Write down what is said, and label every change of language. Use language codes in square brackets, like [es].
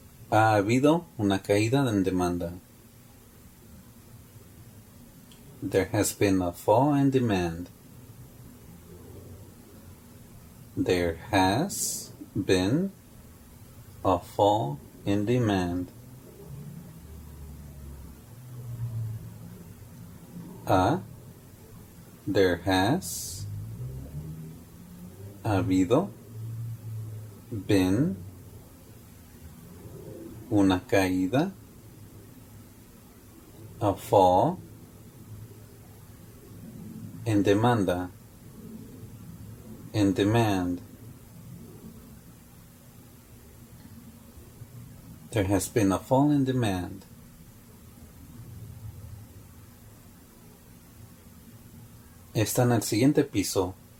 [es] Ha habido una caída en demanda. [en] There has been a fall in demand. There has been a fall in demand. There has [es] habido [en] been [es] una caída, [en] a fall [es] en demanda, [en] in demand. There has been a fall in demand. [es] Está en el siguiente piso.